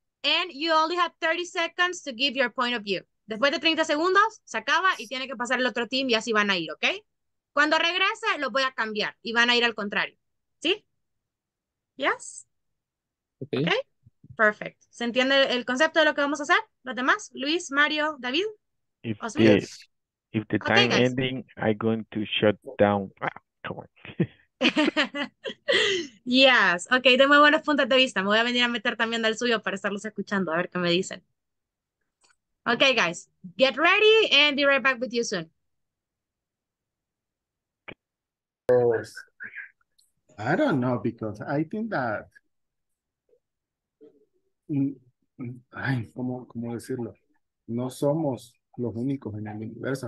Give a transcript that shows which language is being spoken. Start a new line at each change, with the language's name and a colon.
English: And you only have 30 seconds to give your point of view.
Spanish: Después de 30 segundos, se acaba y tiene que pasar el otro team y así van a ir, ¿ok? Cuando regrese, lo voy a cambiar y van a ir al contrario. ¿Sí? ¿Yes?
English: Ok. Okay? Perfect.
Spanish: ¿Se entiende el concepto de lo que vamos a hacer? ¿Los demás? Luis, Mario, David.
English: If the, if the time okay, ending, I'm going to shut down. Ah, come on. Yes.
Spanish: Ok, de muy buenos puntos de vista. Me voy a venir a meter también del suyo para estarlos escuchando, a ver qué me dicen.
English: Okay, guys, get ready and be right back with you soon. I don't know because I think that.
Spanish: Ay, ¿cómo decirlo? No somos los únicos en el universo.